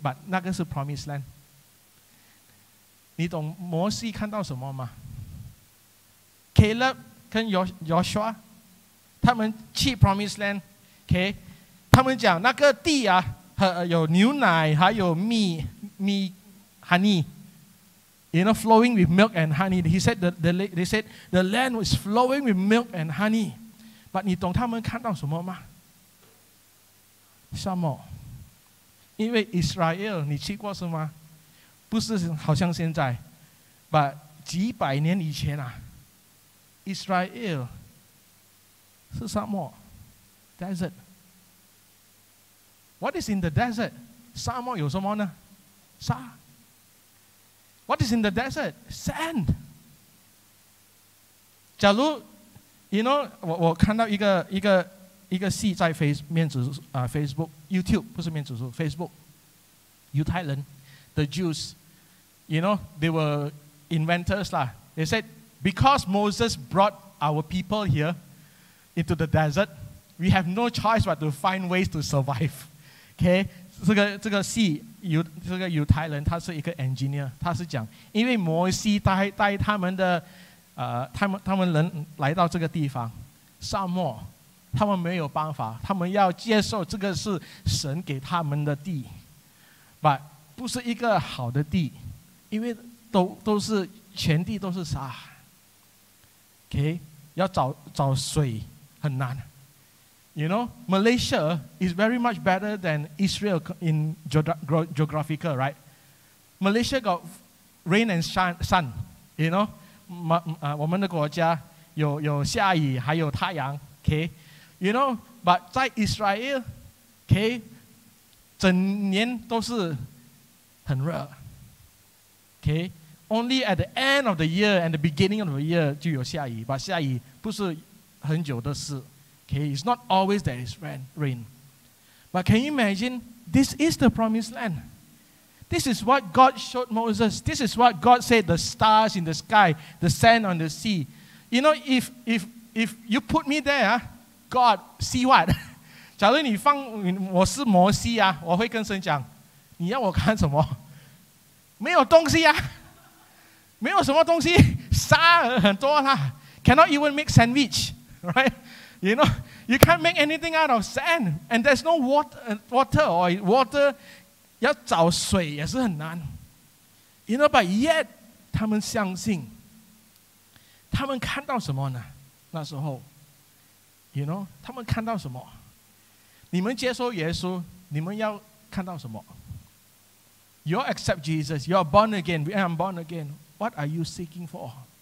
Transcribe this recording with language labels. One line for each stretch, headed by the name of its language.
Chinese: But 那个是 Promised Land， 你懂摩西看到什么吗 ？Caleb 跟 Joshua 他们去 Promised Land， OK？他们讲那个地啊，有牛奶，还有蜜。
English: Honey, you know, flowing with milk and honey. He said, they said, the land was flowing with milk and honey.
Chinese: But 你懂他们看到什么吗?沙漠. 因为 Israel, 你去过是吗?不是好像现在, but 几百年以前啊, Israel 是沙漠, desert.
English: What is in the desert?
Chinese: 沙漠有什么呢?沙.
English: What is in the desert? Sand.
Chinese: 假如, you know, 我看到一个戏在 Facebook, YouTube, 不是面子书, Facebook, 犹太人,
English: the Jews, you know, they were inventors.
Chinese: Lah.
English: They said, because Moses brought our people here into the desert, we have no choice but to find ways to survive. Okay?
Chinese: 这个犹太人他是一个 engineer， 他是讲，因为摩西带他们人来到这个地方，沙漠，他们没有办法，他们要接受这个是神给他们的地 ，but 不是一个好的地，因为都是全地都是沙 ，OK， 要找水很难。
English: You know, Malaysia is very much better than Israel in geographical, right? Malaysia got rain and sun, you know?
Chinese: 我们的国家有下雨还有太阳, okay?
English: You know, but 在 Israel, okay,
Chinese: 整年都是很热,
English: okay, only at the end of the year and the beginning of the year
Chinese: 就有下雨,
English: but
Chinese: 下雨不是很久的事,
English: okay, it's not always there is rain. But can you imagine, this is the promised land. This is what God showed Moses. This is what God said, the stars in the sky, the sand on the sea. You know, if you put me there, God, see what?
Chinese: 假如你放我是摩西啊, 我会跟神讲, 你要我看什么? 没有东西啊, 没有什么东西, 沙很多啦,
English: cannot even make sandwich, right? You know, you can't make anything out of sand, and there's no water,
Chinese: 要找水也是很难,
English: you know, but yet,
Chinese: 他们相信, 他们看到什么呢? 那时候, you know, 他们看到什么? 你们接受耶稣, 你们要看到什么?
English: You accept Jesus, you are born again, we are born again, what are you seeking for?